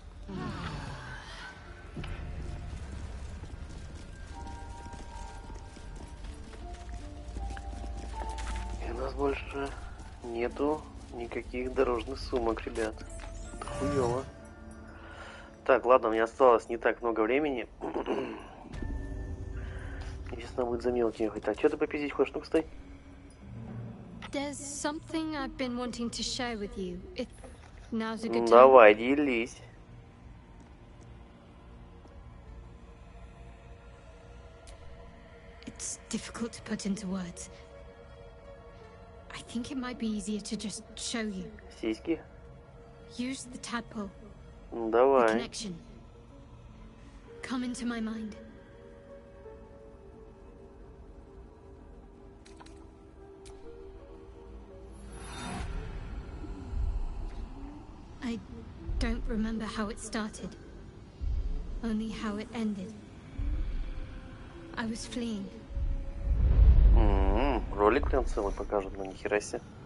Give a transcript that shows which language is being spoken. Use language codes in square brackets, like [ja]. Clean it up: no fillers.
[ru] И у нас больше нету никаких дорожных сумок, ребят. Это хуёво. Так, ладно, у меня осталось не так много времени. Интересно, будет за мелкие хоть. А что ты попиздить хочешь? Ну-ка, стой. [en] There's something I've been wanting to share with you. If now's a good time. [ru] Давай, делись. [en] It's difficult to put into words. I think it might be easier to just show you. [ru] Сиськи? [en] Use the tadpole. [ru] Давай. [en] The connection. Come into my mind. I don't remember how it started, only how it ended. I was fleeing. [ru] Ролик прям целый покажет, но ни хера себе.